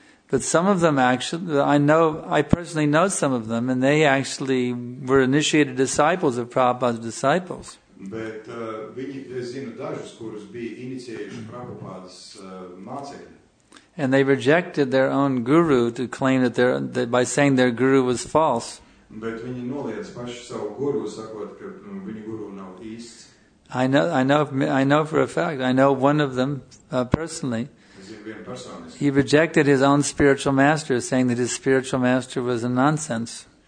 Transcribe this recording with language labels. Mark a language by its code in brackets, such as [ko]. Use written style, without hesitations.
[en] But some of them actually, I personally know some of them, and they actually were initiated disciples of Prabhupada's disciples. But [lv] viņi zina dažus, kurus bija iniciējuši Prabhupada's mācekļi. [en] And they rejected their own guru to claim that their that by saying their guru was false. But [lv] viņi noliedz paši savu guru, sakot, ka viņu guru nav īsts. [en] I know for a fact. I know one of them personally. He rejected his own spiritual master, saying that his spiritual master was a nonsense.